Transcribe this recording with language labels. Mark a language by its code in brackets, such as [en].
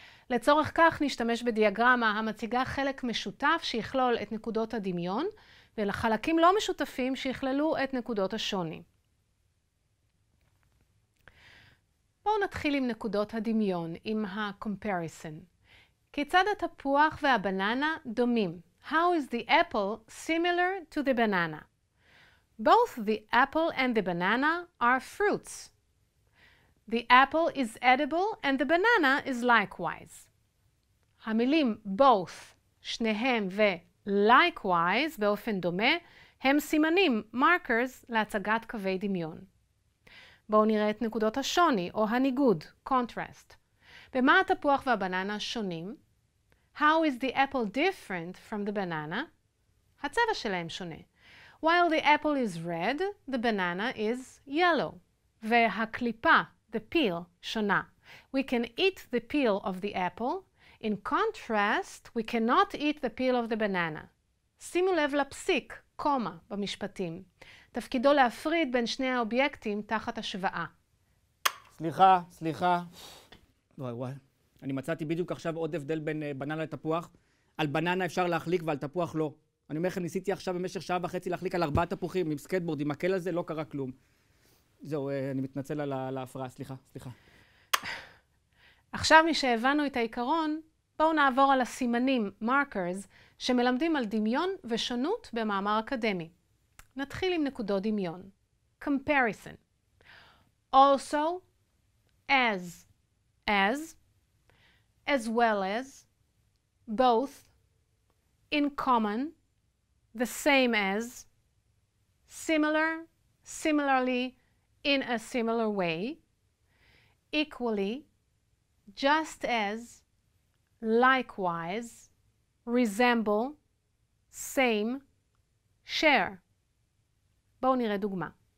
[he] לצורך כך, נשתמש בדיאגרמה המציגה חלק משותף שיכלול את נקודות הדמיון, ולחלקים לא משותפים שיכללו את נקודות השוני. בואו נתחיל עם נקודות הדמיון, עם ה-comparison. כיצד התפוח והבננה דומים? [en] How is the apple similar to the banana? Both the apple and the banana are fruits. The apple is edible and the banana is likewise. [he] המילים both, שניהם ו-likewise, באופן דומה, הם סימנים, markers, להצגת קווי דמיון. בואו נראה את נקודות השוני, או הניגוד, contrast. במה התפוח והבננה שונים? [en] How is the apple different from the banana? [he] הצבע שלהם שונה. [en] While the apple is red, the banana is yellow. והקליפה, the peel, שונה. We can eat the peel of the apple. In contrast, we cannot eat the peel of the banana. [he] שימו לב לפסיק, קומה, במשפטים. תפקידו להפריד בין שני האובייקטים תחת השוואה. סליחה. וואי, אני מצאתי בדיוק עכשיו עוד הבדל בין בננה לתפוח. על בננה אפשר להחליק ועל תפוח לא. אני אומר לכם, ניסיתי עכשיו במשך שעה וחצי להחליק על ארבעה תפוחים עם סקייטבורד, עם הקל הזה, לא קרה כלום. זהו, אני מתנצל על ההפרעה, סליחה. עכשיו משהבנו את העיקרון, בואו נעבור על הסימנים, markers, שמלמדים על דמיון ושונות במאמר אקדמי. נתחיל עם נקודות דמיון. Comparison. [en] Also, as, as, as well as, both, in common, the same as, similar, similarly, in a similar way, equally, just as, likewise, resemble, same, share. [he] בואו נראה דוגמה.